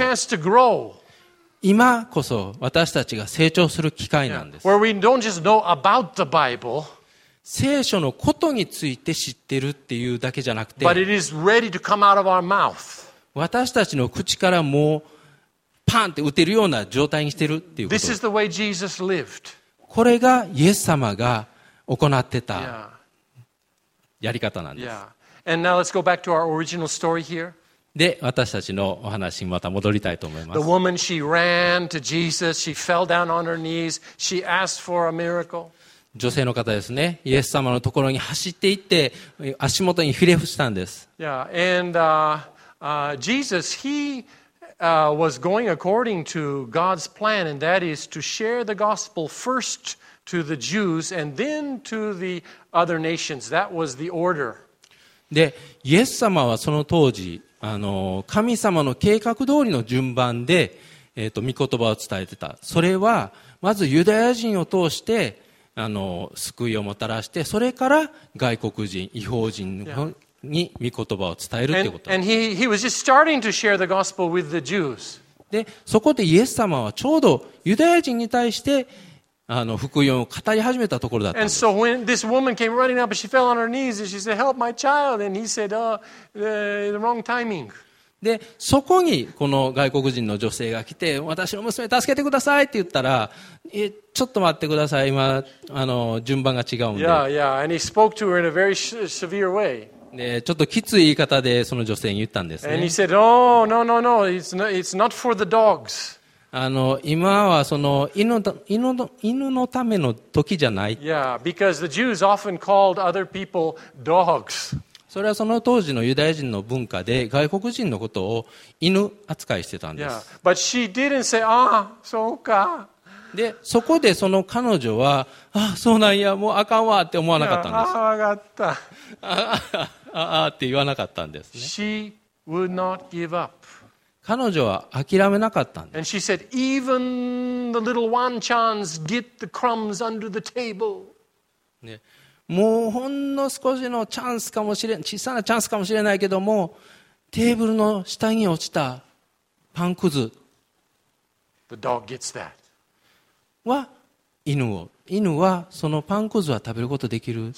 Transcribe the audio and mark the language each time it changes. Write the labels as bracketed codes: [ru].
[en] This is our chance to grow. [ja] 今こそ私たちが成長する機会なんです。 [en] Where we don't just know about the Bible. [ja] 聖書のことについて知ってるっていうだけじゃなくて、 [en] But it is ready to come out of our mouth. [ja] 私たちの口からもうパンって打てるような状態にしてるっていうこと。 [en] This is the way Jesus lived. [ja] これがイエス様が行ってたやり方なんです。 [en] Yeah. And now let's go back to our original story here. [ja] で、私たちのお話にまた戻りたいと思います。 [en] The woman, she ran to Jesus. She fell down on her knees. She asked for a miracle. [ja] 女性の方ですね。イエス様のところに走って行って、足元にひれ伏したんです。 [en] Yeah. And Jesus, he was going according to God's plan, and that is to share the gospel first to the Jews and then to the other nations. That was the order. [ja] で、イエス様はその当時、神様の計画通りの順番で、御言葉を伝えてた。それは、まずユダヤ人を通して、救いをもたらして、それから外国人、異邦人の、yeah. に御言葉を伝えるということ。 [en] And he was just starting to share the gospel with the Jews. [ja] で、そこでイエス様はちょうどユダヤ人に対して福音を語り始めたところだったんです。 [en] And so when this woman came running up, she fell on her knees and she said, "Help my child!" And he said, "Oh, the wrong timing." [ja] で、そこにこの外国人の女性が来て、私の娘助けてくださいって言ったら、ちょっと待ってください。今順番が違うんで。 [en] Yeah, yeah. And he spoke to her in a very severe way. [ja] ちょっときつい言い方でその女性に言ったんですね。 [en] And he said, Oh, no, no, no, it's not for the dogs. [ja] 今はその犬のための時じゃない。 [en] Yeah, because the Jews often called other people dogs. [ja] それはその当時のユダヤ人の文化で外国人のことを犬扱いしてたんです。 [en] Yeah, but she didn't say, Ah, [ja] そうか。で、そこでその彼女は、ああ、そうなんや、もうあかんわって思わなかったんです。ああ、わかった。ああ、って言わなかったんです、ね。 [en] She would not give up. [ja] 彼女は諦めなかったんです。 [en] And she said, even the little wonchans get the crumbs under the table.、 [ja] ね、もうほんの少しのチャンスかもしれん、小さなチャンスかもしれないけども、テーブルの下に落ちたパンくず。 [en] The dog gets that. [ja] は犬はそのパンくずは食べることできる。